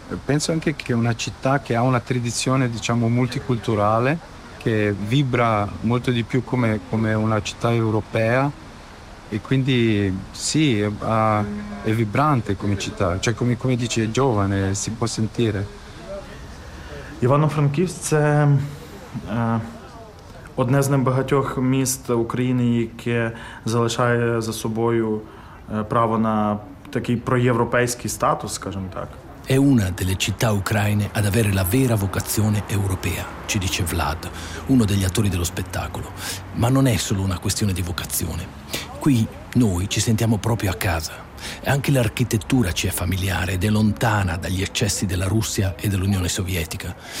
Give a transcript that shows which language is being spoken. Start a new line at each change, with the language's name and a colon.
Italian: Penso anche che una città che ha una tradizione, diciamo, multiculturale, che vibra molto di più come una città europea, e quindi sì, è vibrante come città, cioè come dici, è giovane, si può sentire.
Ukrainian: Ivano-Frankivsk è одне з небагатьох міст України, яке залишає за собою право на такий проєвропейський статус, скажімо так.
Italian: è una delle città ucraine ad avere la vera vocazione europea, ci dice Vlad, uno degli attori dello spettacolo. Ma non è solo una questione di vocazione. Qui noi ci sentiamo proprio a casa. Anche l'architettura ci è familiare ed è lontana dagli eccessi della Russia e dell'Unione Sovietica.